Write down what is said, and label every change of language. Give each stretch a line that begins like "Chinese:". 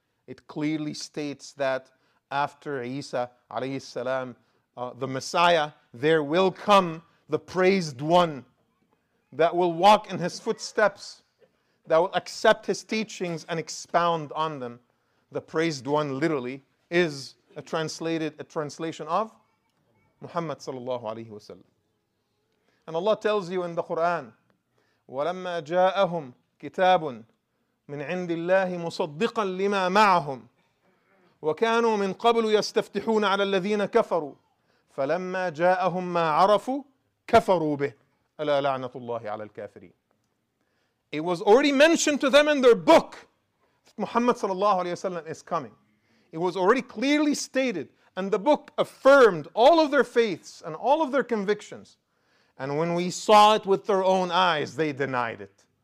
English: It clearly states that after Isa,
Arabic: alayhi salam,
English: the Messiah, there will come the praised one that will walk in his footsteps, that will accept his teachings and expound on them. The praised one, literally, is a translation of Muhammad
Arabic: sallallahu alayhi wasallam.
English: And Allah tells you in the Quran,
Arabic: وَلَمَّا جَاءَهُمْ كِتَابٌ مِنْ عِنْدِ اللَّهِ مُصَدِّقًا لِمَا مَعَهُمْ وَكَانُوا مِنْ قَبْلُ يَسْتَفْتِحُونَ عَلَى الَّذِينَ كَفَرُوا فَلَمَّا جَاءَهُمْ مَا عَرَفُوا كَفَرُوا بِهِ أَلَا لَعْنَةُ اللَّهِ عَلَى الْكَافِرِينَ.
English: It was already mentioned to them in their book that Muhammad
Arabic: sallallahu alayhi wa sallam
English: is coming. It was already clearly stated, And the book affirmed all of their faiths and all of their convictions. And when we saw it with their own eyes, they denied it.